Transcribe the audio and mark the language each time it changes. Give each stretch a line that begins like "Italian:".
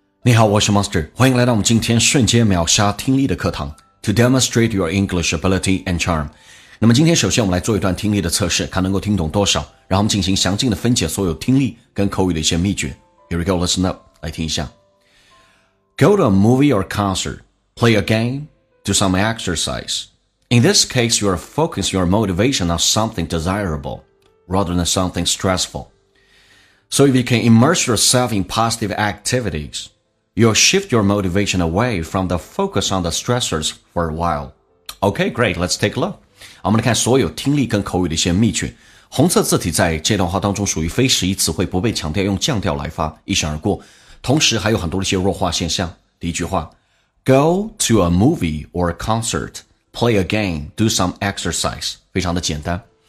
Chinese: 你好，我是 Master， 欢迎来到我们今天瞬间秒杀听力的课堂
English: To demonstrate your English ability and charm。
Chinese: 那么今天首先我们来做一段听力的测试，看能够听懂多少，然后我们进行详尽的分解所有听力跟口语的一些秘诀。
English: Here we go, listen up，
Chinese: 来听一下。
English: Go to a movie or concert, play a game, do some exercise. In this case, you are focusing your motivation on something desirable rather than something stressful. So if you can immerse yourself in positive activitiesYou'll shift your motivation away from the focus on the stressors for a while. Okay, great. Let's take a look.
Chinese: 我们来看所有听力跟口语的一些秘诀。红色字体在这段话当中属于非实义词汇，不被强调，用降调来发，一闪而过。同时还有很多的一些弱化现象。第一句话
English: ,Go to a movie or a concert, play a game, do some exercise.
Chinese: 非常的简单。